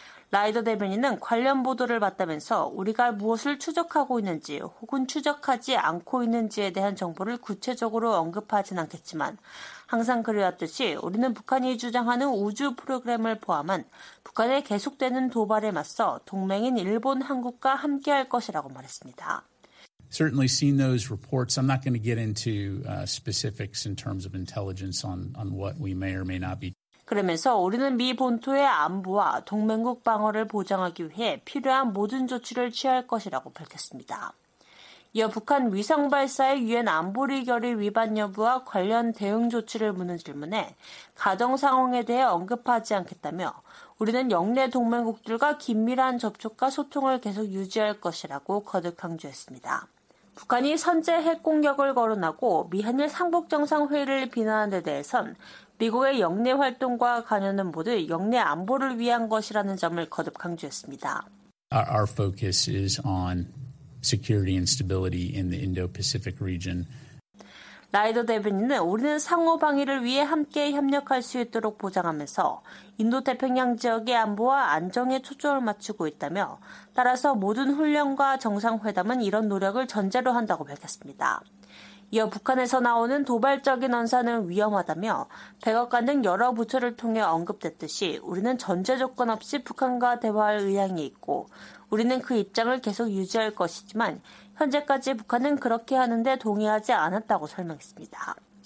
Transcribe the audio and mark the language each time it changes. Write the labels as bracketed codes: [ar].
[ko] 라이더 대변인은 관련 보도를 받다면서 우리가 무엇을 추적하고 있는지 혹은 추적하지 않고 있는지에 대한 정보를 구체적으로 언급하진 않겠지만 항상 그래왔듯이 우리는 북한이 주장하는 우주 프로그램을 포함한 북한의 계속되는 도발에 맞서 동맹인 일본, 한국과 함께할 것이라고 말했습니다. [en] Certainly seen those reports. I'm not going to get into specifics in terms of intelligence on what we may or may not be. [ko] 그러면서 우리는 미 본토의 안보와 동맹국 방어를 보장하기 위해 필요한 모든 조치를 취할 것이라고 밝혔습니다. 이어 북한 위성 발사의 유엔 안보리 결의 위반 여부와 관련 대응 조치를 묻는 질문에 가정 상황에 대해 언급하지 않겠다며 우리는 영내 동맹국들과 긴밀한 접촉과 소통을 계속 유지할 것이라고 거듭 강조했습니다. 북한이 선제 핵 공격을 거론하고 미한일 3국 정상회의를 비난한 데 대해선 미국의 영내 활동과 관여는 모두 영내 안보를 위한 것이라는 점을 거듭 강조했습니다. [en] Our focus is on security and stability in the Indo-Pacific region. [ko] 라이더 대변인은 우리는 상호 방위를 위해 함께 협력할 수 있도록 보장하면서 인도태평양 지역의 안보와 안정에 초점을 맞추고 있다며 따라서 모든 훈련과 정상회담은 이런 노력을 전제로 한다고 밝혔습니다. 이어 북한에서 나오는 도발적인 언사는 위험하다며 백악관 등 여러 부처를 통해 언급됐듯이 우리는 전제 조건 없이 북한과 대화할 의향이 있고 우리는 그 입장을 계속 유지할 것이지만 현재까지 북한은 그렇게 하는데 동의하지 않았다고 설명했습니다.